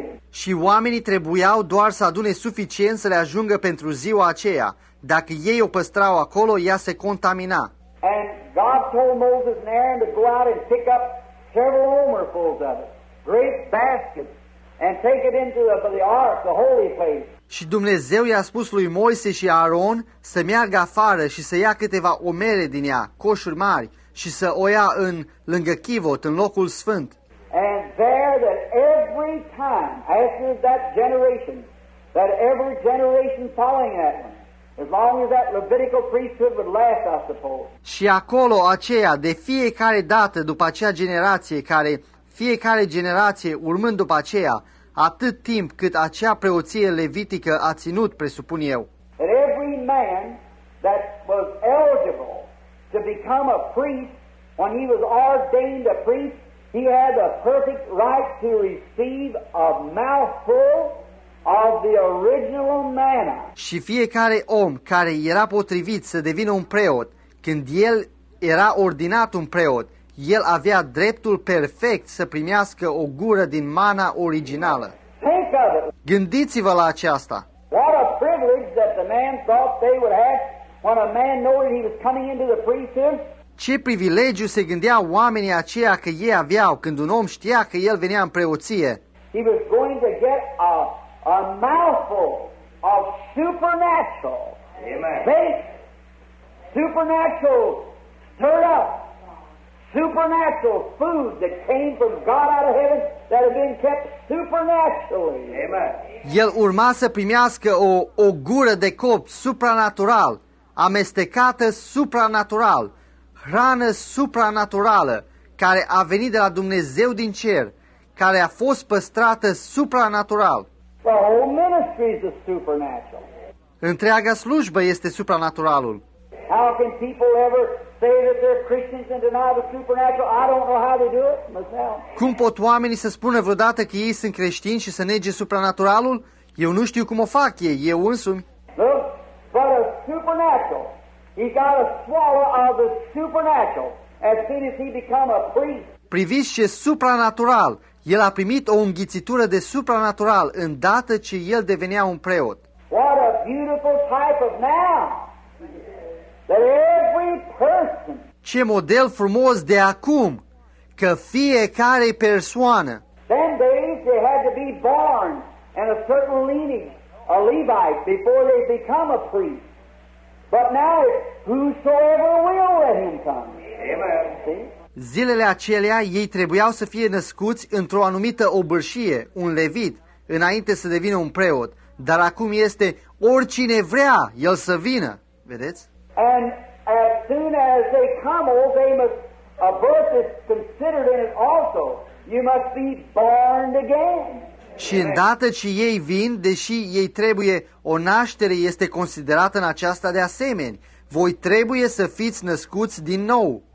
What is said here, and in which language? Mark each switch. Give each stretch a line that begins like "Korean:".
Romanian: Și oamenii trebuiau doar să adune suficient să le ajungă pentru ziua aceea. Dacă ei o păstrau acolo, ea se contamina.
English: And God told Moses and Aaron to go out and pick up several omerfuls of it, great baskets, and take it into the ark, the holy place.
Romanian: Și Dumnezeu i-a spus lui Moise și Aaron să meargă afară și să ia câteva omere din ea, coșuri mari, și să o ia în lângă chivot, în locul sfânt.
English: And there that every time, after that generation, that every generation following that one, as long as that Levitical priesthood would last, I suppose.
Romanian: Și acolo aceea, de fiecare dată după acea generație, care fiecare generație urmând după aceea, atât timp cât acea preoție levitică a ținut, presupun eu.
English: That every man that was eligible to become a priest when he was ordained a priest, he had a perfect right to receive a mouthful of the original manna.
Romanian: Și fiecare om care era potrivit să devină un preot, când el era ordinat un preot, el avea dreptul perfect să primească o gură din mana originală. Gândiți-vă la aceasta.
English: What a privilege that the man thought they would have when a man knew he was coming into the priesthood.
Romanian: Ce privilegiu se gândeau oamenii aceia că ei aveau când un om știa că el venea în preoție.
English: He was going to get a mouthful of supernatural. Amen. Supernatural stirred up. Supernatural food that came from God out of heaven that had been kept supernaturally. Amen.
Romanian: El urma să primească o gură de cop supranatural, amestecată supranatural, hrană supranaturală, care a venit de la Dumnezeu din cer, care a fost păstrată supranatural.
English: The whole ministry is supernatural.
Romanian: Întreaga slujbă este supranaturalul.
English: How can people ever say that they're Christians and deny the supernatural? I don't know how they do it myself.
Romanian: Cum pot oamenii să spună vreodată că ei sunt creștini și să nege supranaturalul? Eu nu știu cum o fac ei, eu însumi.
English: Look, but a supernatural, he got a swallow of the supernatural as soon as he became a priest.
Romanian: Priviți ce supranatural, el a primit o înghițitură de supranatural îndată ce el devenea un preot.
English: What a beautiful type of man. That every person,
Romanian: ce model frumos de acum, că fiecare persoană.
English: Then days they had to be born in a certain lineage, a Levite, before they become a priest. But now it's whosoever will let him come. Amen.
Romanian: Zilele acelea ei trebuiau să fie născuți într-o anumită obârșie, un levit, înainte să devină un preot. Dar acum este oricine vrea el să vină. Vedeți?
English: And as soon as they come, they must, a birth is considered in it also. You must be born again.
Romanian: Și îndată ce ei vin, deși ei trebuie, o naștere este considerată în aceasta de asemenea. Voi trebuie să fiți născuți din nou.